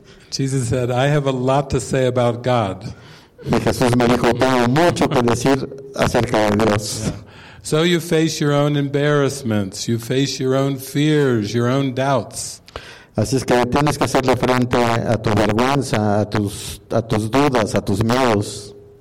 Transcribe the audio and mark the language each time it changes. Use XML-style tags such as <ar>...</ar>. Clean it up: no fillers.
<en>Jesus said, I have a lot to say about God.</en> <es>Y Jesús me dijo, tengo mucho que decir acerca de Dios.</es> <en>Yeah. So you face your own embarrassments, you face your own fears, your own doubts.</en> <es>Así es que tienes que hacerle frente a tu vergüenza, a tus dudas, a tus miedos.</es>